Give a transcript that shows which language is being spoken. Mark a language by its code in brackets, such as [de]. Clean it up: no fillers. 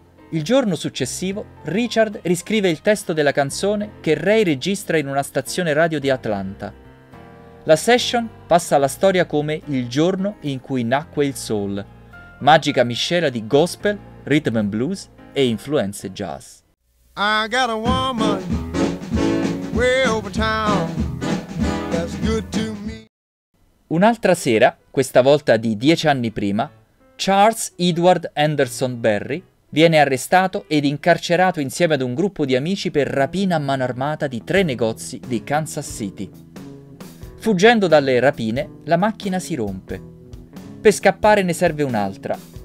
[it] Il giorno successivo, Richard riscrive il testo della canzone che Ray registra in una stazione radio di Atlanta. La session passa alla storia come il giorno in cui nacque il soul, magica miscela di gospel, rhythm and blues e influenze jazz. [en] I got a woman way over town. That's good to me. [it] Un'altra sera, questa volta di 10 anni prima, Charles Edward Anderson Berry viene arrestato ed incarcerato insieme ad un gruppo di amici per rapina a mano armata di 3 negozi di Kansas City. Fuggendo dalle rapine, la macchina si rompe. Per scappare ne serve un'altra.